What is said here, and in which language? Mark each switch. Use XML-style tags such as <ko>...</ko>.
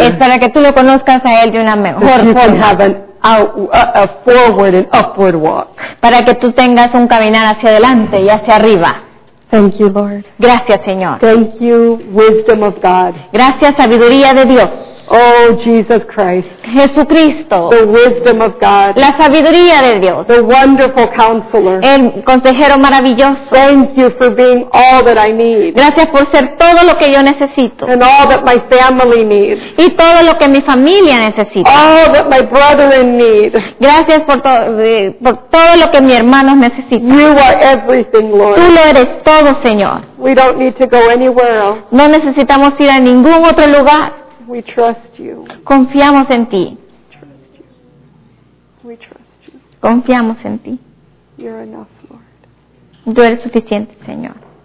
<es>Es para que tú lo conozcas a Él de una mejor forma.</es> <en>That you can have a forward and upward walk.</en> <es>Para que tú tengas un caminar hacia adelante y hacia arriba.</es> <en>Thank you, Lord.</en> <es>Gracias, Señor.</es> <en>Thank you, wisdom of God.</en> <es>Gracias, sabiduría de Dios.</es> <en>Oh, Jesus Christ.</en> <es>Jesucristo.</es> <en>The wisdom of God.</en> <es>La sabiduría de Dios.</es> <en>The wonderful counselor.</en> <es>El consejero maravilloso.</es> <en>Thank you for being all that I need.</en> <es>Gracias por ser todo lo que yo necesito.</es> <en>And all that my family needs.</en> <es>Y todo lo que mi familia necesita.</es> <en>All that my brethren need.</en> <es>Gracias por todo lo que mi hermano necesita.</es> <en>You are everything, Lord.</en> <es>Tú lo eres todo, Señor.</es> <en>We don't need to go anywhere else.</en> <es>No necesitamos ir a ningún otro lugar.</es> <en>We trust you.</en> <es>Confiamos en ti.</es> <en>We trust you.</en> <es>Confiamos en ti.</es> <en>You're enough, Lord.</en> <es>Tú eres suficiente, Señor.</es>